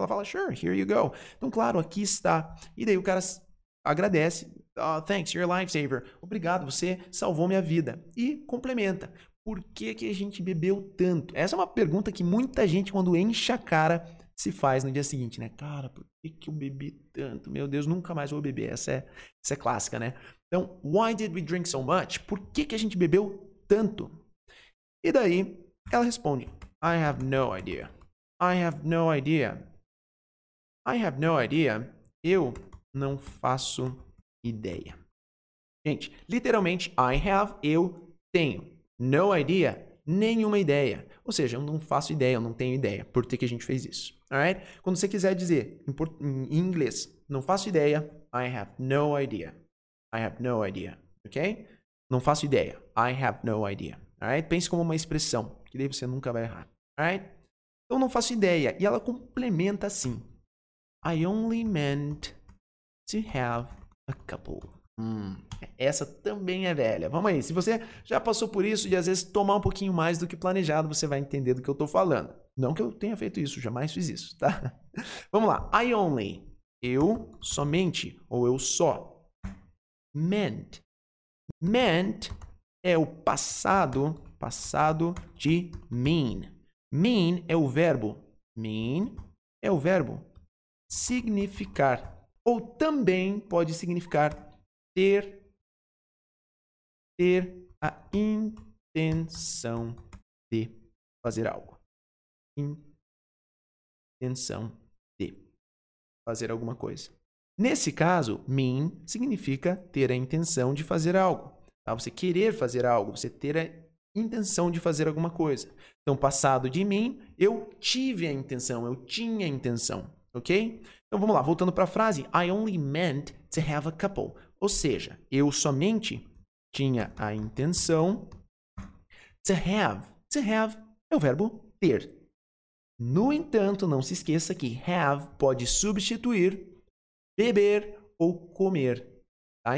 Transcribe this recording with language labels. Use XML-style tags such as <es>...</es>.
<pt>Ela fala,</pt> <en>sure, here you go.</en> <pt>Então, claro, aqui está. E daí o cara agradece.</pt> <en>Oh, thanks, you're a lifesaver.</en> <pt>Obrigado, você salvou minha vida. E complementa, por que que a gente bebeu tanto? Essa é uma pergunta que muita gente, quando enche a cara, se faz no dia seguinte, né? Cara, por que que eu bebi tanto? Meu Deus, nunca mais vou beber. Essa é clássica, né? Então,</pt> <en>why did we drink so much?</en> <pt>Por que que a gente bebeu tanto? E daí, ela responde,</pt> <en>I have no idea. I have no idea. I have no idea.</en> <pt>Eu não faço ideia. Gente, literalmente, I have, eu tenho. No idea, nenhuma ideia. Ou seja, eu não faço ideia, eu não tenho ideia. Por que que a gente fez isso? Alright? Quando você quiser dizer em inglês, não faço ideia,</pt> <en>I have no idea. I have no idea. Ok?</en> <pt>Não faço ideia.</pt> <en>I have no idea. Alright?</en> <pt>Pense como uma expressão, que daí você nunca vai errar. Alright? Então, não faço ideia. E ela complementa assim.</pt> <en>I only meant to have a couple.</en> <pt>Essa também é velha. Vamos aí. Se você já passou por isso de, às vezes, tomar um pouquinho mais do que planejado, você vai entender do que eu tô falando. Não que eu tenha feito isso. Jamais fiz isso, tá? Vamos lá. I only. Eu somente. Ou eu só. Meant. Meant é o passado. Passado de mean. Mean é o verbo. Mean é o verbo. Significar. Ou também pode significar ter a intenção de fazer algo. Intenção de fazer alguma coisa. Nesse caso, mean significa ter a intenção de fazer algo. Tá? Você querer fazer algo, você ter a intenção de fazer alguma coisa. Então, passado de mean, eu tive a intenção, eu tinha a intenção. Ok? Então, vamos lá. Voltando para a frase,</pt> <en>I only meant to have a couple.</en> <pt>Ou seja, eu somente tinha a intenção to have. To have é o verbo ter. No entanto, não se esqueça que have pode substituir beber ou comer. Tá?</pt>